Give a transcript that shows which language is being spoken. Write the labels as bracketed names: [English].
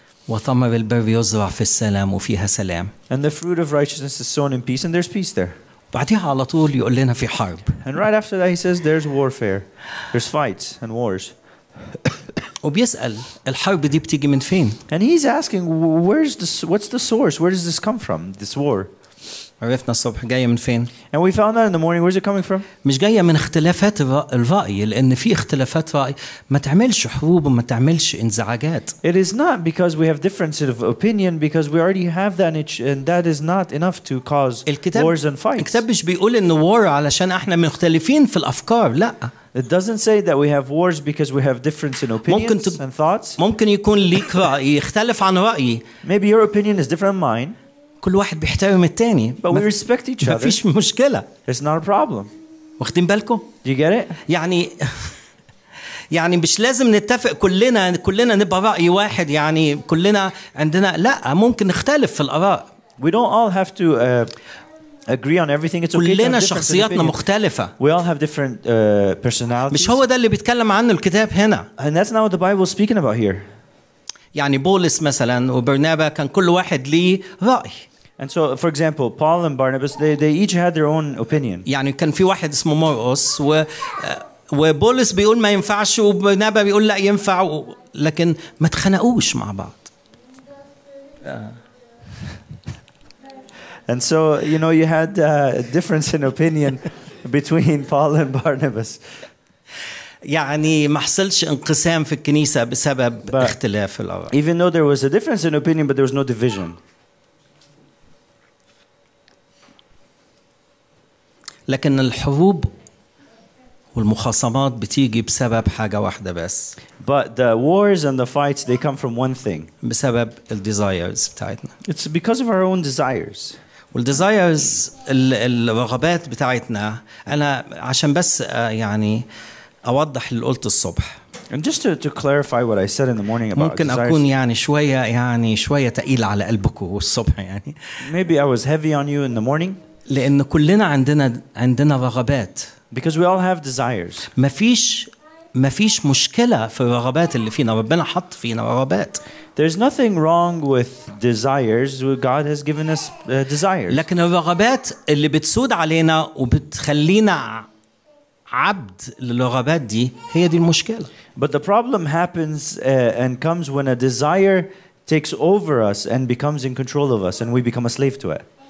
[Arabic] وثمر البر يزرع في السلام وفيها سلام. [English] And the fruit of righteousness is sown in peace and there's peace there. [Arabic] بعدها على طول يقول لنا في حرب. [English] And right after that he says there's warfare. There's fights and wars. [Arabic] وبيسأل الحرب دي بتيجي من فين؟ [English] And he's asking what's the source? Where does this come from? This war. [Arabic] عرفنا الصبح جاية من فين؟ [English] And we found out in the morning where's it coming from? [Arabic] مش جاية من اختلافات الرأي لأن في اختلافات رأي ما تعملش حروب وما تعملش انزعاجات. [English] It is not because we have differences of opinion because we already have that and that is not enough to cause wars and fights. [Arabic] الكتاب مش بيقول إن war علشان إحنا مختلفين في الأفكار لا. [English] It doesn't say that we have wars because we have difference in opinions and thoughts. [Arabic] ممكن يكون ليك رأي يختلف عن رأيي. [English] Maybe your opinion is different than mine. [Arabic] كل واحد بيحترم التاني. [English] But we respect each other. [Arabic] مفيش مشكلة. [English] It's not a problem. [Arabic] واخدين بالكم؟ [English] Do you get it? [Arabic] يعني مش لازم نتفق كلنا نبقى رأي واحد يعني كلنا عندنا لا ممكن نختلف في الآراء. [English] We don't all have to agree on everything. It's okay. [Arabic] كلنا شخصياتنا مختلفة. [English] We all have different personalities. [Arabic] مش هو ده اللي بيتكلم عنه الكتاب هنا. [English] And that's not what the Bible is speaking about here. [Arabic] يعني بولس مثلا وبرنابا كان كل واحد ليه رأي. [English] And so for example Paul and Barnabas they each had their own opinion. [Arabic] يعني كان في واحد اسمه مرقس وبولس بيقول ما ينفعش وبرنابا بيقول لا ينفع لكن ما تخنقوش مع بعض. [English] And so you know you had a difference in opinion between Paul and Barnabas. [Arabic] يعني ما حصلش انقسام في الكنيسة بسبب اختلاف الآراء. [English] Even though there was a difference in opinion, but there was no division. [Arabic] لكن الحروب والمخاصمات بتيجي بسبب حاجة واحدة بس. [English] But the wars and the fights they come from one thing. [Arabic] بسبب ال desires بتاعتنا. [English] It's because of our own desires. [Arabic] وال desires الرغبات بتاعتنا أنا عشان بس يعني أوضح اللي قلت الصبح. [English] And just to clarify what I said in the morning about [Arabic] ممكن [English] desires. [Arabic] أكون يعني شوية يعني شوية تقيل على قلبك والصبح يعني. [English] Maybe I was heavy on you in the morning. [Arabic] لأن كلنا عندنا رغبات. [English] Because we all have desires. [Arabic] مفيش مشكلة في الرغبات اللي فينا، ربنا حط فينا رغبات. [English] There's nothing wrong with desires. God has given us desires. [Arabic] لكن الرغبات اللي بتسود علينا وبتخلينا عبد للرغبات دي هي دي المشكلة. [English] But the problem happens and comes when a desire takes over us and becomes in control of us and we become a slave to it.